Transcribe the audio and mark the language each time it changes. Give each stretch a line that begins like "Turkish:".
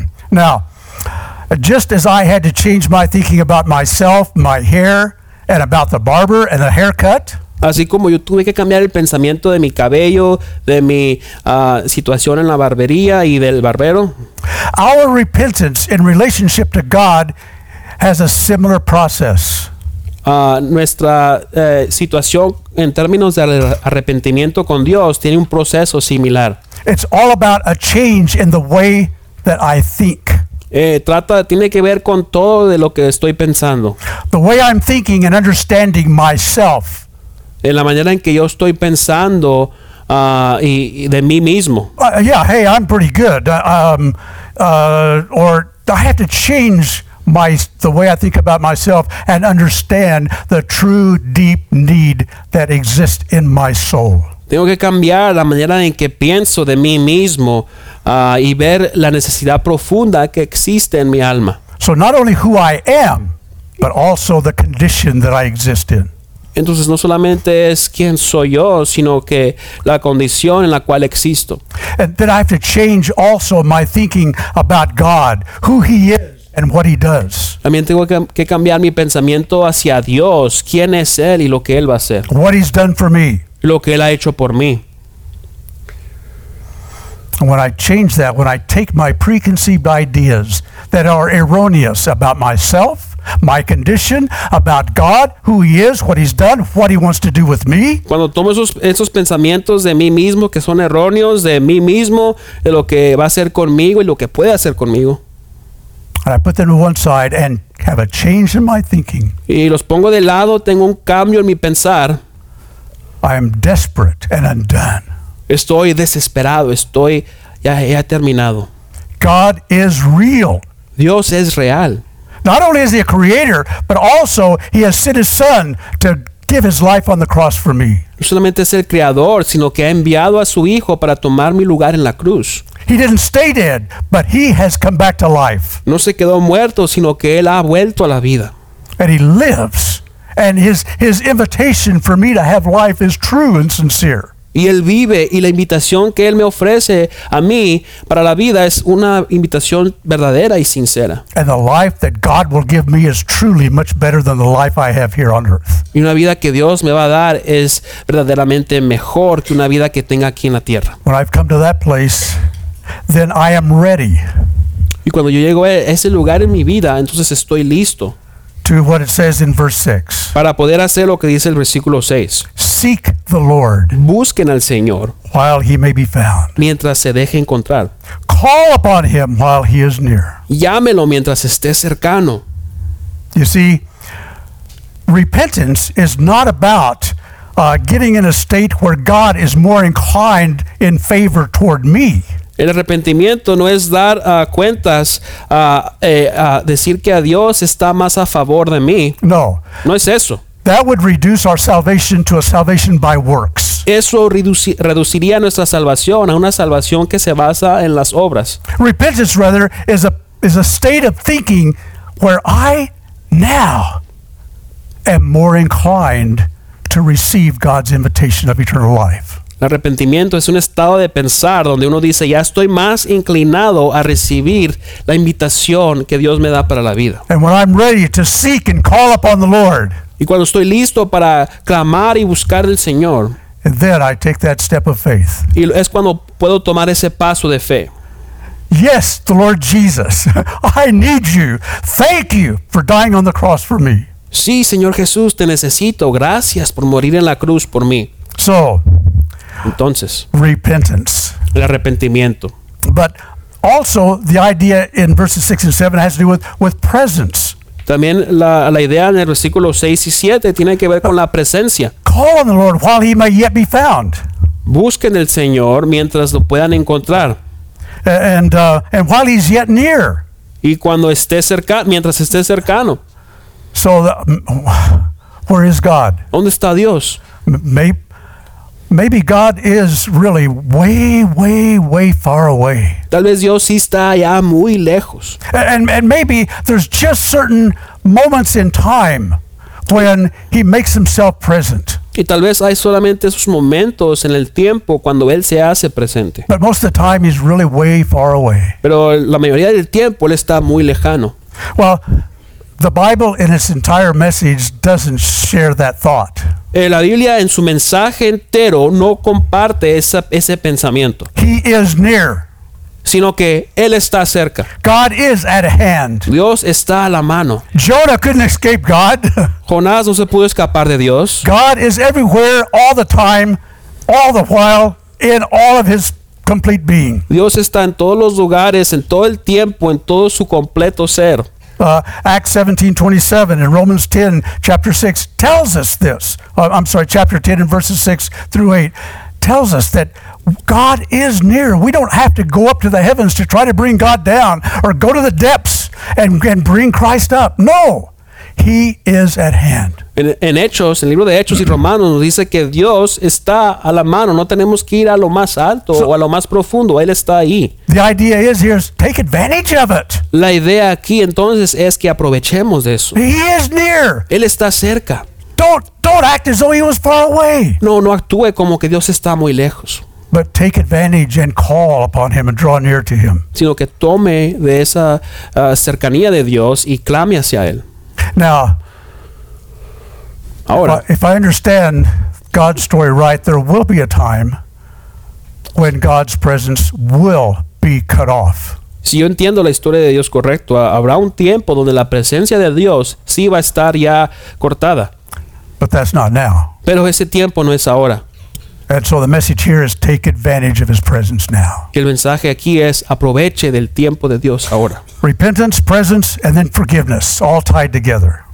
English: Now, just as I had to change my thinking about myself, my hair, and about the barber and the haircut.
Spanish: Así como yo tuve que cambiar el pensamiento de mi cabello, de mi situación en la barbería y del barbero.
English: Our repentance in relationship to God has a similar process.
Spanish: Nuestra situación en términos de arrepentimiento con Dios tiene un proceso similar.
English: It's all about a change in the way that I think.
Spanish: Tiene que ver con todo de lo que estoy pensando.
English: The way I'm thinking and understanding myself.
Spanish: En la manera en que yo estoy pensando y de mí mismo.
English: I'm pretty good. I have to change the way I think about myself and understand the true deep need that exists in my soul.
Spanish: Tengo que cambiar la manera en que pienso de mí mismo y ver la necesidad profunda que existe en mi alma.
English: So not only who I am, but also the condition that I exist in.
Spanish: Entonces no solamente es quién soy yo, sino que la condición en la cual existo.
English: And then I have to change also my thinking about God, who He is and what He does.
Spanish: También tengo que cambiar mi pensamiento hacia Dios, quién es Él y lo que Él va a hacer.
English: What He's done for me.
Spanish: Lo que Él ha hecho por mí.
English: When I change that, when I take my preconceived ideas that are erroneous about myself, my condition, about God, who He is, what He's done, what He wants to do with me.
Spanish: Cuando tomo esos pensamientos de mí mismo que son erróneos, de mí mismo, de lo que va a hacer conmigo y lo que puede hacer conmigo.
English: And I put them to one side and have a change in my thinking.
Spanish: Y los pongo de lado, tengo un cambio en mi pensar.
English: I am desperate and undone.
Spanish: Estoy desesperado, estoy ya terminado.
English: God is real.
Spanish: Dios es real.
English: Not only is He a creator, but also He has sent His Son to give His life on the cross for me.
Spanish: No solamente es el creador, sino que ha enviado a su hijo para tomar mi lugar en la cruz.
English: He didn't stay dead, but He has come back to life.
Spanish: No se quedó muerto, sino que él ha vuelto a la vida.
English: And He lives, and his invitation for me to have life is true and sincere.
Spanish: Y él vive, y la invitación que él me ofrece a mí para la vida es una invitación verdadera y sincera.
English: And the life that God will give me is truly much better than the life I have here on earth.
Spanish: Y una vida que Dios me va a dar es verdaderamente mejor que una vida que tenga aquí en la tierra.
English: When I've come to that place, then I am ready.
Spanish: Y cuando yo llego a ese lugar en mi vida, entonces estoy listo.
English: To what it says in verse 6.
Spanish: Para poder hacer lo que dice el versículo 6.
English: Seek the Lord.
Spanish: Busquen al Señor.
English: While He may be found.
Spanish: Mientras se deje encontrar.
English: Call upon Him while He is near.
Spanish: Llámelo mientras esté cercano.
English: You see, repentance is not about getting in a state where God is more inclined in favor toward me.
Spanish: El arrepentimiento no es dar cuentas, decir que a Dios está más a favor de mí.
English: No.
Spanish: No es eso.
English: That would reduce our salvation to a salvation by works.
Spanish: Eso reduciría nuestra salvación a una salvación que se basa en las obras.
English: Repentance, rather, is a state of thinking where I now am more inclined to receive God's invitation of eternal life.
Spanish: El arrepentimiento es un estado de pensar donde uno dice, ya estoy más inclinado a recibir la invitación que Dios me da para la vida.
English: And when I'm ready to seek and call upon the Lord.
Spanish: Y cuando estoy listo para clamar y buscar del Señor.
English: And then I take that step of faith.
Spanish: Y es cuando puedo tomar ese paso de fe.
English: Yes, the Lord Jesus, I need you. Thank you for dying on the cross for me.
Spanish: Sí, Señor Jesús, te necesito. Gracias por morir en la cruz por mí.
English: So,
Spanish: entonces,
English: repentance.
Spanish: El arrepentimiento.
English: But also the idea in verses 6 and 7 has to do with presence.
Spanish: También la idea en el versículo 6 y 7 tiene que ver con la presencia.
English: Call on the Lord while he may yet be found.
Spanish: Busquen al Señor mientras lo puedan encontrar.
English: And while he's yet near.
Spanish: Y cuando esté cerca, mientras esté cercano.
English: So, where is God?
Spanish: ¿Dónde está Dios?
English: Maybe God is really way, way, way far away.
Spanish: Tal vez Dios sí está allá muy lejos.
English: And maybe there's just certain moments in time when he makes himself present.
Spanish: Y tal vez hay solamente esos momentos en el tiempo cuando él se hace presente.
English: But most of the time he's really way far away.
Spanish: Pero la mayoría del tiempo él está muy lejano.
English: Well, the Bible in its entire message doesn't share that thought.
Spanish: La Biblia en su mensaje entero no comparte ese pensamiento.
English: He is near.
Spanish: Sino que él está cerca.
English: God is at hand.
Spanish: Dios está a la mano.
English: Jonah couldn't escape God.
Spanish: Jonás no se pudo escapar de Dios.
English: God is everywhere, all the time, all the while, in all of his complete being.
Spanish: Dios está en todos los lugares, en todo el tiempo, en todo su completo ser.
English: Acts 17:27 and Romans 10, chapter 6, tells us this. I'm sorry, chapter 10 and verses 6 through 8 tells us that God is near. We don't have to go up to the heavens to try to bring God down or go to the depths and bring Christ up. No, he is at hand.
Spanish: En Hechos, en el libro de Hechos y Romanos, nos dice que Dios está a la mano. No tenemos que ir a lo más alto o a lo más profundo. Él está ahí.
English: The idea is here is take advantage of it.
Spanish: La idea aquí entonces es que aprovechemos de eso.
English: He is near.
Spanish: Él está cerca.
English: Don't act as though he was far away.
Spanish: No actúe como que Dios está muy lejos.
English: But take advantage and call upon him and draw near to him.
Spanish: Sino que tome de esa cercanía de Dios y clame hacia él.
English: Now,
Spanish: ahora,
English: if I understand God's story right, there will be a time when God's presence will be cut off.
Spanish: Si yo entiendo la historia de Dios correcto, habrá un tiempo donde la presencia de Dios sí va a estar ya cortada.
English: But that's not now.
Spanish: Pero ese tiempo no es ahora.
English: And so the message here is take advantage of his presence now.
Spanish: Que el mensaje aquí es aproveche del tiempo de Dios ahora.
English: Repentance, presence, and then forgiveness, all tied together.